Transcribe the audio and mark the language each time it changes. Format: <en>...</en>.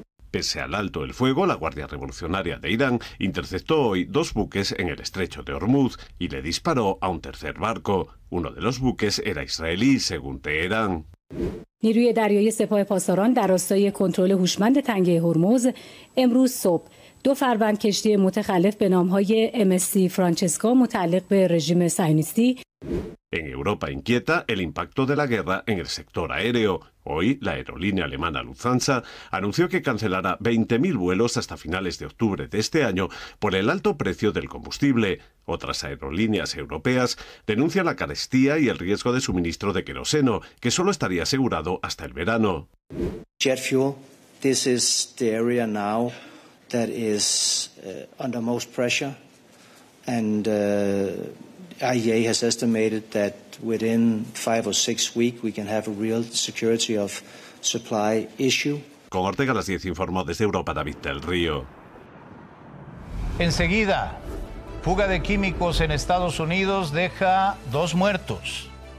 <es>Pese al alto el fuego, la Guardia Revolucionaria de Irán interceptó hoy dos buques en el estrecho de Hormuz y le disparó a un tercer barco. Uno de los buques era israelí, según Teherán.</es> <fa>نیروی دریایی سپاه پاسداران در راستای کنترل هوشمند تنگه هرمز امروز صبح دو فروند کشتی متخلف به نام های MSC فرانچسکا متعلق به رژیم صهیونیستی</fa> <es>En Europa inquieta el impacto de la guerra en el sector aéreo. Hoy, la aerolínea alemana Lufthansa anunció que cancelará 20.000 vuelos hasta finales de octubre de este año por el alto precio del combustible. Otras aerolíneas europeas denuncian la carestía y el riesgo de suministro de queroseno, que solo estaría asegurado hasta el verano.</es> <en>Jet fuel, this is the area now that is under most pressure and IEA has estimated that within 5 or 6 weeks we can have a real security of supply issue.</en> <es>Con Ortega las 10 informó desde Europa David del Río. Enseguida, fuga de químicos en Estados Unidos deja 2 muertos.</es>